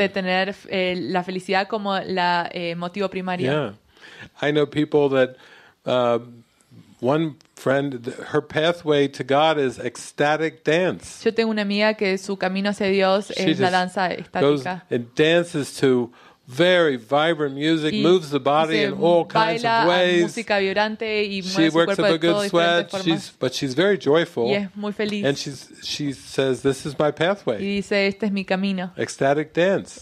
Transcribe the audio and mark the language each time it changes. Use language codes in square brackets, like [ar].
[es] De tener la felicidad como la motivo primario. Yeah. [en] I know people that one friend her pathway to God is ecstatic dance. [es] Yo tengo una amiga que su camino hacia Dios es [en] She [es] la danza estática. [en] Goes and dances to very vibrant music, moves the body in all kinds of ways. [es] Música vibrante y mueve [en] she works [es] cuerpo [en] up a good sweat, but she's very joyful. [es] Y es muy feliz. [en] And she says, "This is my pathway." [es] Y dice, este es mi camino. [en] Ecstatic dance.